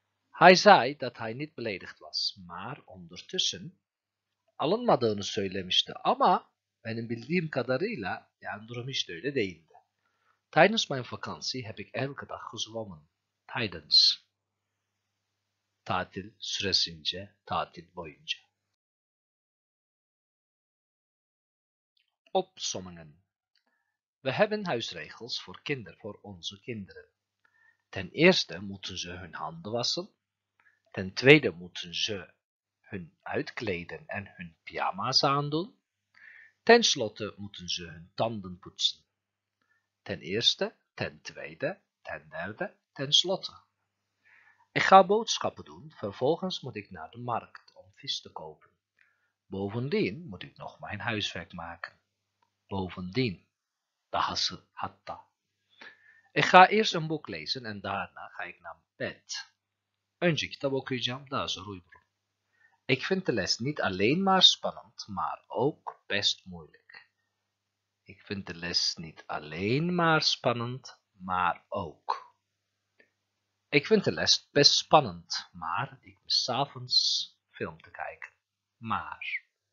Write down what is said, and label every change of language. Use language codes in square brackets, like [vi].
[nl] Hij zei dat hij niet beledigd was, maar ondertussen [tr] alınmadığını söylemişti ama benim bildiğim kadarıyla yani durum hiç de öyle değildi. [nl] Tijdens mijn vakantie heb ik elke dag gezwommen. Tijdens. [tr] Tatil süresince, tatil boyunca. [nl] Opsommingen. We hebben huisregels voor kinderen, voor onze kinderen. Ten eerste moeten ze hun handen wassen. Ten tweede moeten ze hun uitkleden en hun pyjama's aandoen. Ten slotte moeten ze hun tanden poetsen. Ten eerste, ten tweede, ten derde, ten slotte. Ik ga boodschappen doen, vervolgens moet ik naar de markt om vis te kopen. Bovendien moet ik nog mijn huiswerk maken. Bovendien, [tr] dahası hatta. [nl] Ik ga eerst een boek lezen en daarna ga ik naar bed. [tr] Önce kitap okuyacağım, daha sonra uyurum. [nl] Ik vind de les niet alleen maar spannend, maar ook best moeilijk. Ik vind de les niet alleen maar spannend, maar ook. Ik vind de les best spannend, maar ik mis 's avonds film te kijken. Maar.